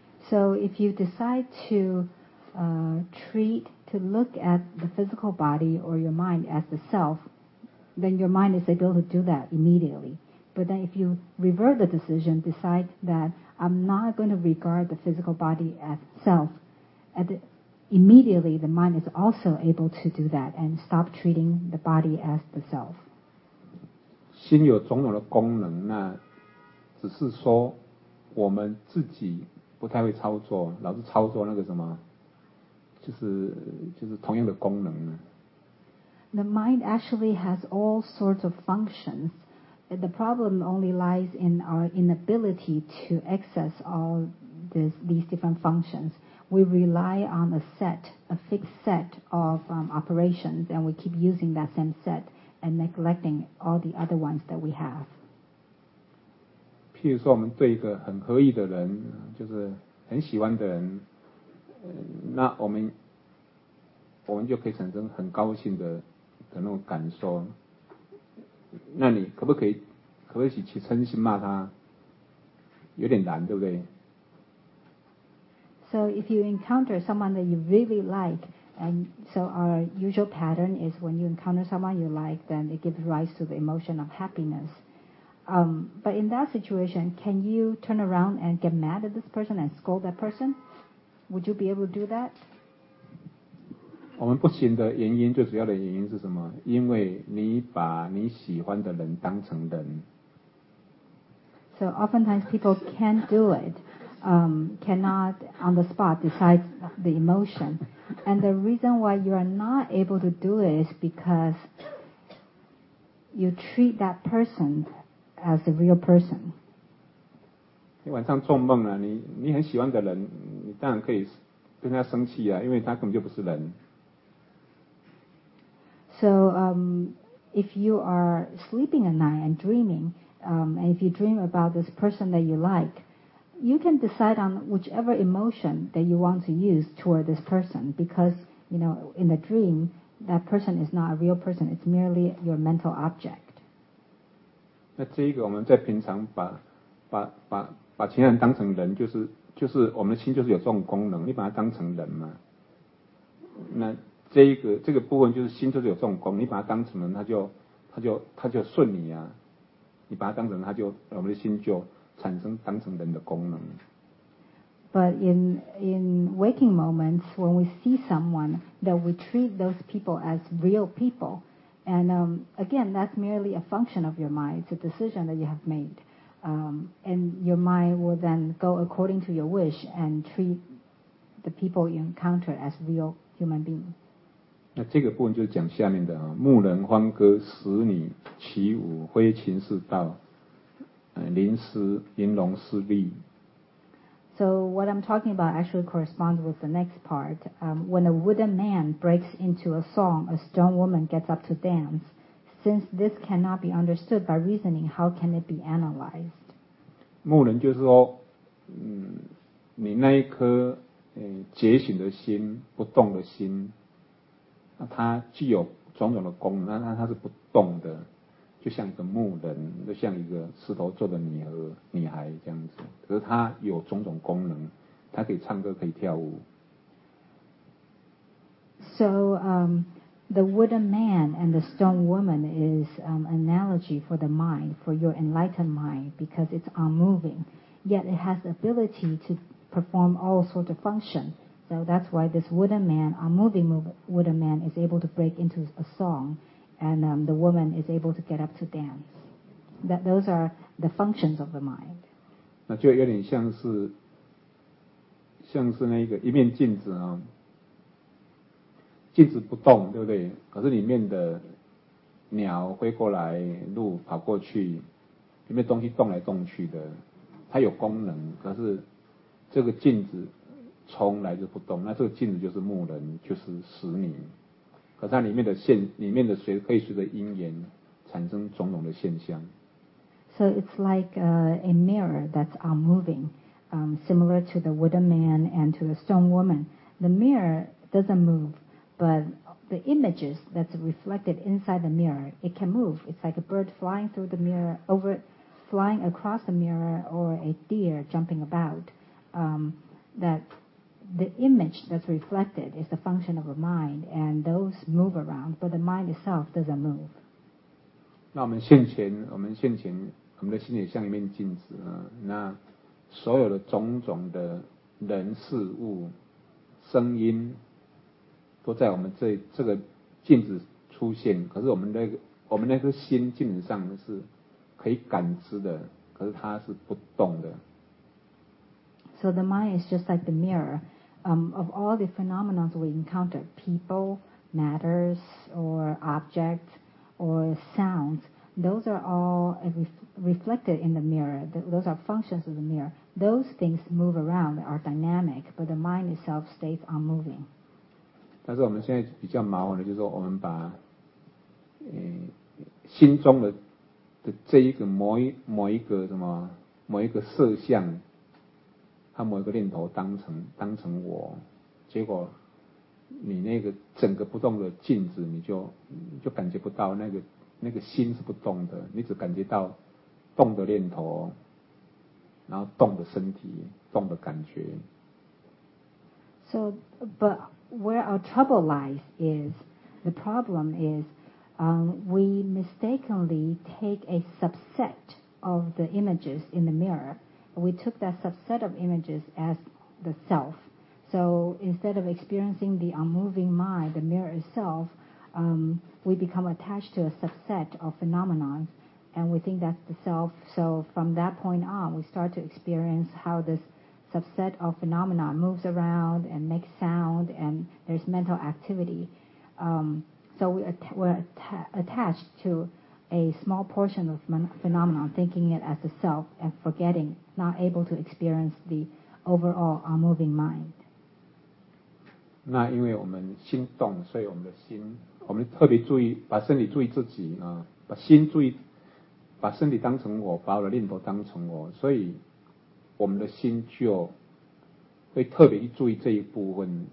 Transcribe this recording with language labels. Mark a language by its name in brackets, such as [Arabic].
[English] So if you decide to treat to look at the physical body or your mind as the self, then your mind is able to do that immediately. But then if you revert the decision, decide that I'm not going to regard the physical body as self, immediately the mind is also able to do that and stop treating the body as the self. [Chinese] 心有种种的功能，那只是说我们自己不太会操作，老是操作那个什么就是同样的功能呢。 [English] The mind actually has all sorts of functions. The problem only lies in our inability to access all these different functions. We rely on a fixed set of operations, and we keep using that same set and neglecting all the other ones that we have. [Chinese] 譬如说，我们对一个很合意的人，就是很喜欢的人，那我们就可以产生很高兴的那种感受。那你可不可以去嗔心骂他？有点难，对不对 [English] ？So if you encounter someone that you really like, and so our usual pattern is when you encounter someone you like, then it gives rise to the emotion of happiness. But in that situation, can you turn around and get mad at this person and scold that person? Would you be able to do that? [Chinese] 我们不行的原因，最主要的原因是什么？因为你把你喜欢的人当成人。 [English] So oftentimes people can't do it, cannot on the spot decide the emotion. And the reason why you are not able to do it is because you treat that person as a real person. [Chinese] 你晚上做梦了，你很喜欢的人，你当然可以跟他生气啊，因为他根本就不是人。 [English] So, if you are sleeping at night and dreaming, and if you dream about this person that you like, you can decide on whichever emotion that you want to use toward this person because, you know, in the dream, that person is not a real person. It's merely your mental object. [Chinese] 那这个我们在平常把其他人当成人，就是我们的心就是有这种功能，你把它当成人嘛，那。这个部分就是心就是有这种功能，你把它当成人，它就顺你啊。你把它当成人，我们的心就产生当成人的功能。 [English] But in waking moments, when we see someone, that we treat those people as real people, and again, that's merely a function of your mind. It's a decision that you have made, and your mind will then go according to your wish and treat the people you encounter as real human beings. [Chinese] 那这个部分就是讲下面的啊，牧人欢歌，使女起舞，挥琴是道，玲珑是利。 [English] So what I'm talking about actually corresponds with the next part. When a wooden man breaks into a song, a stone woman gets up to dance. Since this cannot be understood by reasoning, how can it be analyzed? [Chinese] 牧人就是说，你那一颗觉醒的心，不动的心。那它具有种种的功能，那它是不动的，就像一个木人，就像一个石头做的女孩这样子。可是它有种种功能，它可以唱歌，可以跳舞。 [English] So, the wooden man and the stone woman is analogy for the mind, for your enlightened mind, because it's unmoving, yet it has the ability to perform all sorts of function. So that's why this wooden man, a moving wooden man, is able to break into a song, and the woman is able to get up to dance. That those are the functions of the mind. [Chinese] 那就有点像是，像是那一个一面镜子啊，镜子不动，对不对？可是里面的鸟飞过来，鹿跑过去，里面东西动来动去的，它有功能，可是这个镜子从来就不动。那这个镜子就是木人，就是石泥，可是它里面的线，里面的水可以随着因缘产生种种的现象。 [English] So it's like a mirror that's unmoving, similar to the wooden man and to the stone woman. The mirror doesn't move, but the images that's reflected inside the mirror, it can move. It's like a bird flying through the mirror, over, flying across the mirror, or a deer jumping about. That the image that's reflected is the function of the mind, and those move around, but the mind itself doesn't move. [Chinese] 那我们现前，我们现前。我们的心也像一面镜子、啊、那所有的种种的人事物声音都在我们 这个镜子出现，可是我们那个心基本上是可以感知的，可是它是不动的。 [English] So the mind is just like the mirror, of all the phenomena we encounter, people, matters, or objects, or soundsThose are all reflected in the mirror. Those are functions of the mirror. Those things move around, are dynamic, but the mind itself stays unmoving. [Chinese] 但是我们现在比较麻烦的就是说，我们把，心中的这一个某一个什么，某一个色相，和某一个念头当成我，结果。你那个整个不动的镜子，你就感觉不到那个心是不动的，你只感觉到动的念头，然后动的身体，动的感觉。 [English] So, but where our trouble lies is, the problem is, we mistakenly take a subset of the images in the mirror. We took that subset of images as the self. So instead of experiencing the unmoving mind, the mirror itself,we become attached to a subset of phenomena, and we think that's the self. So from that point on, we start to experience how this subset of phenomena moves around and makes sound, and there's mental activity. So we're attached to a small portion of phenomena, thinking it as the self, and forgetting, not able to experience the overall unmoving mind. [Chinese] 那因为我们心动，所以我们的心，我们特别注意，把身体注意自己啊，把心注意，把身体当成我，把我的念头当成我，所以我们的心就会特别去注意这一部分。